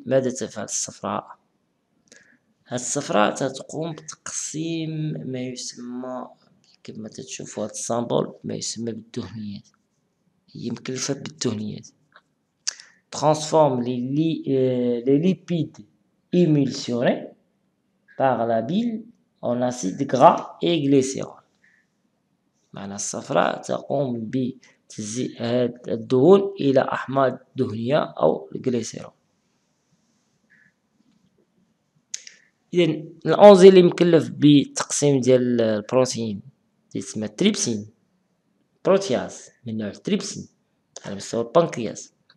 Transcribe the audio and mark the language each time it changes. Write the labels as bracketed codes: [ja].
[ar] ماذا تفعل الصفراء؟ الصفراء تقوم بتقسيم ما يسمى كما تشوفوا هذا السامبل ما يسمى بالدهنيات، هي مكلفة بالدهنيات. [fr] transforme les lipides émulsionnés par la bile en acide gras et glycérol. [ar] معنى الصفراء تقوم بتجزيء الدهون إلى أحماض دهنية أو الجليسيرول. إذن الأنزيم اللي مكلف بتقسيم ديال البروتين تسمى تريبسين بروتياز من نوع التريبسين على مستوى البنكرياس.